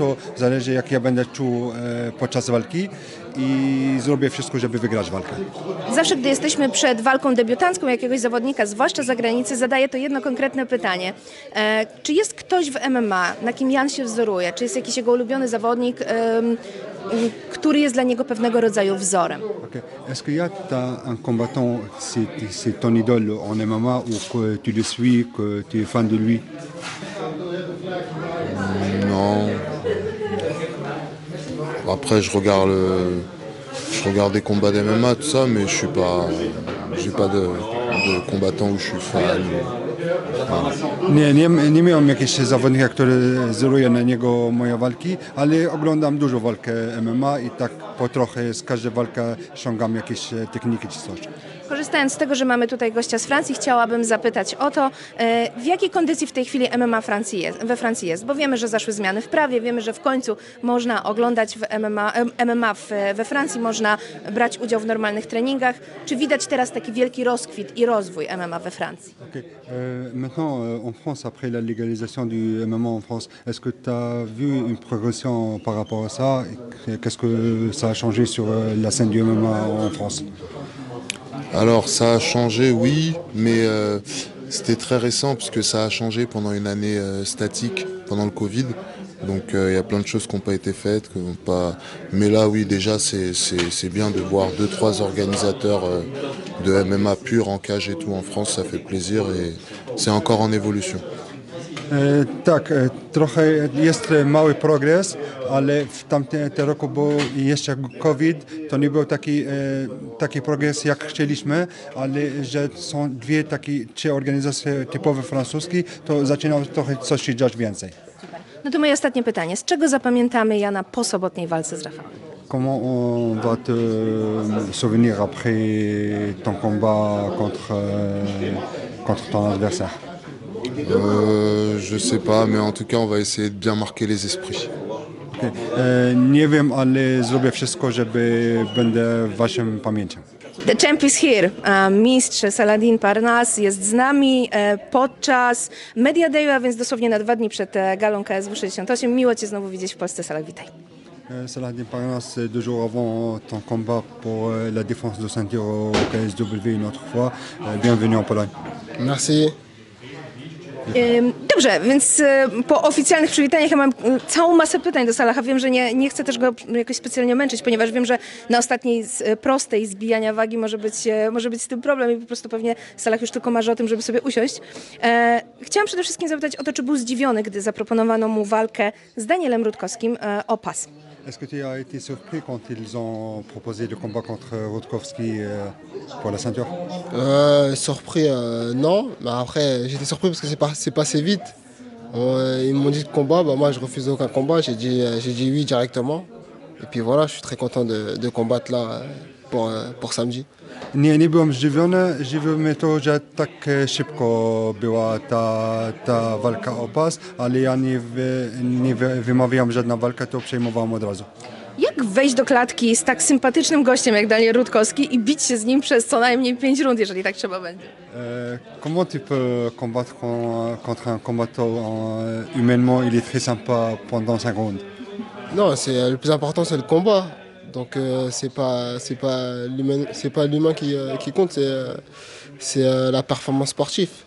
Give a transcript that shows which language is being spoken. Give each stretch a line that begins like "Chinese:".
Polish: To zależy, jak ja będę czuł podczas walki i zrobię wszystko, żeby wygrać walkę. Zawsze, gdy jesteśmy przed walką debiutancką jakiegoś zawodnika, zwłaszcza za granicę, zadaję to jedno konkretne pytanie. Czy jest ktoś w MMA, na kim Jan się wzoruje? Czy jest jakiś jego ulubiony zawodnik, który jest dla niego pewnego rodzaju wzorem? Okay.
French: Est-ce que y a un combattant, c'est ton idole en MMA, ou que tu le suis, que tu es fan de lui? Non. Après, je regarde des combats d'MMA, tout ça, mais je n'ai pas de combattant où je suis fan.
Polish: Nie miałem jakiegoś zawodnika, który wzoruje na niego moje walki, ale oglądam dużo walkę MMA i tak po trochę z każdej walki ściągam jakieś techniki czy coś. Korzystając z tego, że mamy tutaj gościa z Francji, chciałabym zapytać o to, w jakiej kondycji w tej chwili MMA we Francji jest? Bo wiemy, że zaszły zmiany w prawie, wiemy, że w końcu można oglądać MMA we Francji, można brać udział w normalnych treningach. Czy widać teraz taki wielki rozkwit i rozwój MMA we Francji?
French: Maintenant, en France, après la légalisation du MMA en France, est-ce que tu as vu une progression par rapport à ça? Qu'est-ce que ça a changé sur la scène du MMA en France? Alors ça a changé, oui, mais c'était très récent puisque ça a changé pendant une année statique, pendant le Covid. Donc il y a plein de choses qui n'ont pas été faites. Mais là, oui, déjà, c'est bien de voir 2-3 organisateurs de MMA pur en cage et tout en France. Ça fait plaisir et c'est encore en évolution.
Polish: Tak, trochę jest mały progres, ale w tamtym roku był jeszcze COVID, to nie był taki progres jak chcieliśmy, ale że są dwie takie trzy organizacje typowe francuskie, to zaczyna trochę coś się dziać więcej. No to moje ostatnie pytanie. Z czego zapamiętamy Jana po sobotniej walce z Rafałem? Comment on va te souvenir après ton combat contre ton adversaire? Je sais pas, mais en tout cas, on va essayer de bien marquer les esprits. Okay. Nie wiem, ale zrobię wszystko, żeby będę w waszym pamięcią.
English: The champ is here.
Polish: Mistrz Saladin Parnas jest z nami podczas Media Day, a więc dosłownie na dwa dni przed galą KSW-68. Miło cię znowu widzieć w Polsce, Salah, witaj.
French: Saladin Parnas, deux jours avant ton combat pour la défense de ceinture au KSW une autre fois. Bienvenue en Pologne. Merci.
Polish: Dobrze, więc po oficjalnych przywitaniach ja mam całą masę pytań do Salaha. Wiem, że nie chcę też go jakoś specjalnie męczyć, ponieważ wiem, że na ostatniej prostej zbijania wagi może być z tym problem i po prostu pewnie Salah już tylko marzy o tym, żeby sobie usiąść. Chciałam przede wszystkim zapytać o to, czy był zdziwiony, gdy zaproponowano mu walkę z Danielem Rutkowskim o pas.
French: Est-ce que tu as été surpris quand ils ont proposé le combat contre Rutkowski pour la ceinture? Surpris, non. Mais après, j'étais surpris parce que c'est passé vite. Ils m'ont dit de combat, moi je refuse aucun combat. J'ai dit oui directement. Et puis voilà, je suis très content de combattre là pour samedi.
Polish: Nie, nie byłem zdziwiony. Zdziwiło mnie to, że tak szybko była ta walka o pas, ale ja nie wymawiałem żadna walka, to przejmowałem od razu. Jak wejść do klatki z tak sympatycznym gościem jak Daniel Rutkowski i bić się z nim przez co najmniej 5 rund, jeżeli tak trzeba będzie?
French: Comment tu peux combattre contre un combattant humainement, il est très sympa pendant 5 rounds? Non, c'est le plus important, c'est le combat. Donc c'est pas l'humain qui compte, c'est la performance sportive.